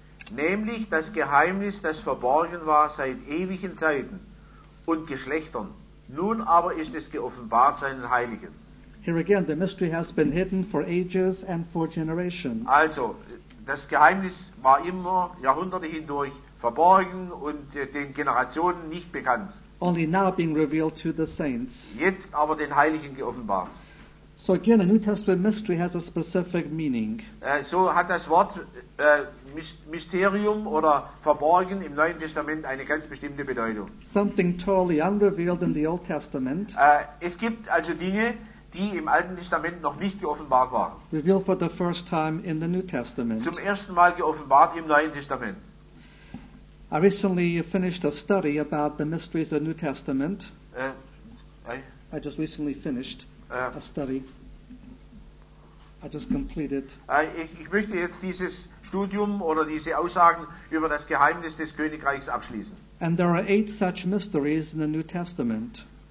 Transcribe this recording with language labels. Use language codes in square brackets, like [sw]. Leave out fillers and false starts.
[de] Nämlich das Geheimnis, das verborgen war seit ewigen Zeiten und Geschlechtern. Nun aber ist es geoffenbart seinen Heiligen. [en] Here again, the mystery has been hidden for ages and for generations. [de] Also, das Geheimnis war immer Jahrhunderte hindurch verborgen und den Generationen nicht bekannt. [en] Only now being revealed to the saints. [de] Jetzt aber den Heiligen geoffenbart. [en] So again, a New Testament mystery has a specific meaning. [de] So hat das Wort Mysterium oder verborgen im Neuen Testament eine ganz bestimmte Bedeutung. [en] Something totally unrevealed in the Old Testament. [de] Es gibt also Dinge, die im Alten Testament noch nicht geoffenbart waren. [en] Revealed for the first time in the New Testament. [de] Zum ersten Mal geoffenbart im Neuen Testament. [en] I recently finished a study about the mysteries of the New Testament. I just recently finished a study. I just completed. [de] Ich möchte jetzt dieses Studium oder diese Aussagen über das Geheimnis des Königreichs abschließen. [en] And there are 8 such mysteries in the New Testament.